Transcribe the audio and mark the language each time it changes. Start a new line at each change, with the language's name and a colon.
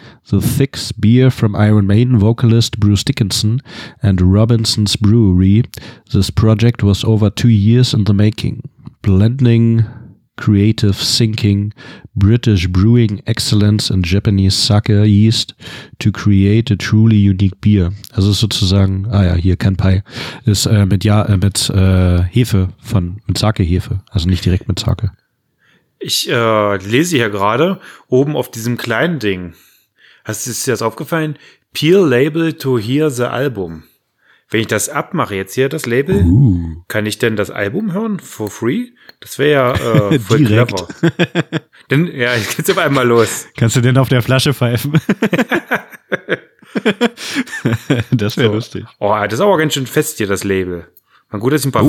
English: The thick beer from Iron Maiden vocalist Bruce Dickinson and Robinson's Brewery. This project was over 2 years in the making. Blending Creative Thinking, British Brewing Excellence and Japanese Sake Yeast to create a truly unique beer.
German: Also sozusagen, ah ja, hier Kanpai, ist mit Sake-Hefe, also nicht direkt mit Sake. Ich lese hier gerade oben auf diesem kleinen Ding. Ist dir das aufgefallen?
English: Peel Label to hear the album.
German: Wenn ich das abmache, jetzt hier das Label, kann ich denn das Album hören
English: for free?
German: Das wäre ja voll clever. Denn, ja, jetzt geht's auf einmal los. Kannst du denn auf der Flasche pfeifen? Das wäre lustig. Oh, das ist aber ganz schön fest hier, das Label. Man, gut, dass ich ein paar